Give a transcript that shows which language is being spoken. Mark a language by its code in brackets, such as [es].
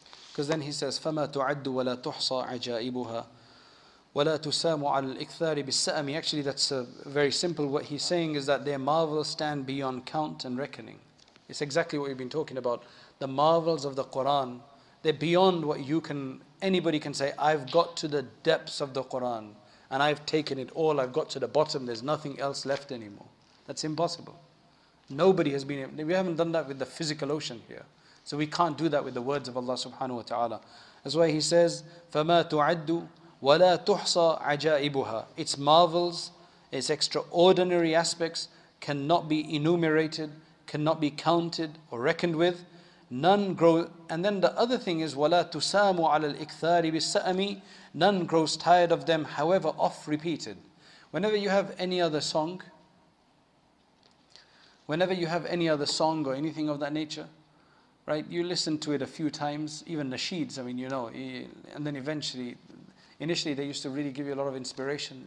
[en] Because then he says, [ar] فَمَا تُعَدُّ وَلَا تُحْصَى عَجَائِبُهَا وَلَا تُسَامُ عَلَى الْإِكْثَارِ بِالسَّأَمِ. [en] Actually, that's very simple. What he's saying is that their marvels stand beyond count and reckoning. It's exactly what we've been talking about. The marvels of the Qur'an, they're beyond what anybody can say, I've got to the depths of the Qur'an, and I've taken it all, I've got to the bottom, there's nothing else left anymore. That's impossible. Nobody has been able. We haven't done that with the physical ocean here. So we can't do that with the words of Allah subhanahu wa ta'ala. That's why he says, [ar] فَمَا تُعَدُّ وَلَا تُحْصَى عَجَائِبُهَا. [en] Its marvels, its extraordinary aspects cannot be enumerated, cannot be counted or reckoned with. None grow. And then the other thing is, [ar] وَلَا تُسَامُ عَلَى الْإِكْثَارِ بِالسَّأَمِ. [en] None grows tired of them, however oft-repeated. Whenever you have any other song, or anything of that nature, right, you listen to it a few times, even nasheeds, I mean, you know, and then initially they used to really give you a lot of inspiration.